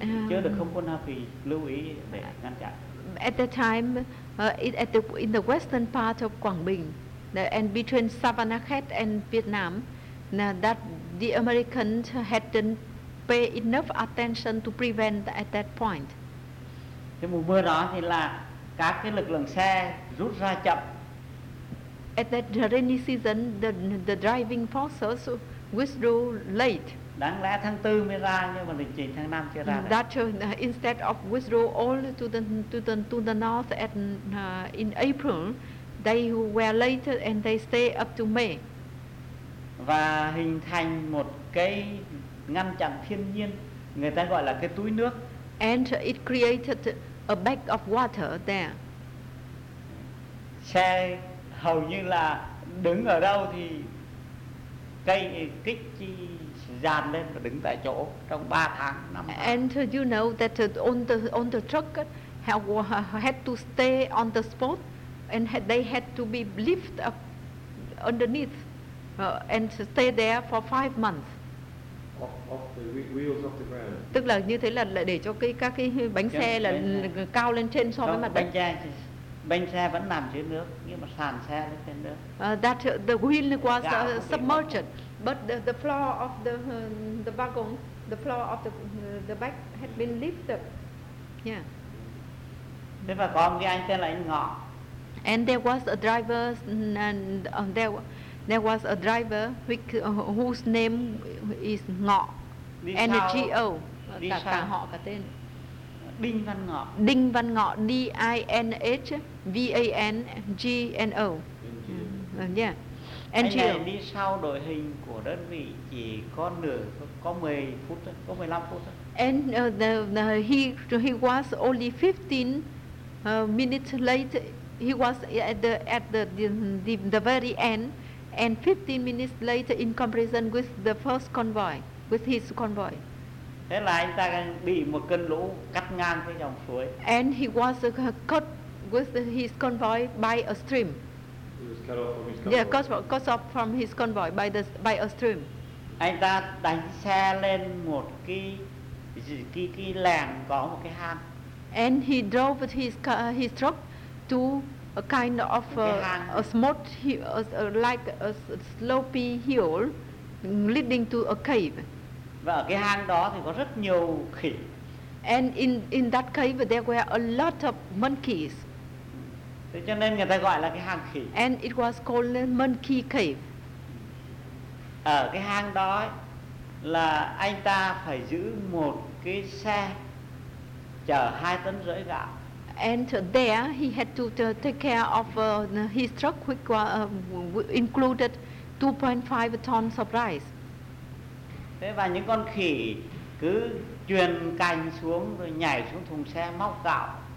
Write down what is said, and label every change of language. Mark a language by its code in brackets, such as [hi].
[vi] Chưa được không quân Hoa Kỳ lưu ý để ngăn chặn. [en] At the time, in the western part of Quảng Bình, and between Savannakhet and Vietnam, that the Americans hadn't paid enough attention to prevent at that point. [vi] Cái mùa mưa đó thì là các cái lực lượng xe rút ra chậm. [en] At that rainy season, the driving forces withdrew late. [vi] Đáng lẽ tháng 4 mới ra nhưng mà lịch trình tháng 5 chưa ra. [en] That instead of withdrew all to the north at in April, they were later and they stay up to May. [vi] Và hình thành một cái ngăn chặn thiên nhiên, người ta gọi là cái túi nước. [en] And it created a bag of water there. [vi] Xe hầu như là đứng ở đâu thì cây kích dàn lên và đứng tại chỗ trong 3 tháng, 5 tháng. [en] And you know that on the truck had to stay on the spot and they had to be lifted up underneath and stay there for 5 months. Off the wheels off the ground. [vi] Tức là như thế là để cho các cái bánh xe là cao lên trên so với mặt đất. Bánh xe vẫn nằm dưới nước nhưng mà sàn xe lên trên nước. [en] That the wheel was submerged, but the floor of the wagon, the floor of the back had been lifted. Yeah. [vi] Thế và có một cái anh tên là anh Ngọ. [en] And there was a driver, and there was a driver whose name is Ngọ. And a G-O. [vi] Cả họ cả tên. Đinh Văn Ngọ. [en] Đinh Văn Ngọ, D-I-N-H-V-A-N-G-N-O. Yeah. [vi] Anh này đi sau đội hình của đơn vị chỉ có nửa, có 10 phút, có 15 phút. [en] And he was only 15 minutes late. He was at the very end, and 15 minutes later in comparison with the first convoy, with his convoy. [vi] Thế là anh ta bị một cơn lũ cắt ngang cái dòng suối. [en] And he was cut with his convoy by a stream. He was cut off from his convoy. Yeah, cut off from his convoy by a stream. [vi] Anh ta đánh xe lên một cái làng có một cái hang. [en] And he drove his truck to a kind of a small hill, like a slopy hill leading to a cave. [vi] Và ở cái hang đó thì có rất nhiều khỉ. [en] And in that cave there were a lot of monkeys. [vi] Thế cho nên người ta gọi là cái hang khỉ. [en] And it was called Monkey Cave. [vi] Ở cái hang đó ấy, là anh ta phải giữ một cái xe chở 2,5 tấn gạo. [en] And there he had to take care of his truck, which included 2.5 tons of rice. [vi] Thế và những con khỉ cứ truyền cành xuống rồi nhảy xuống thùng xe móc gạo.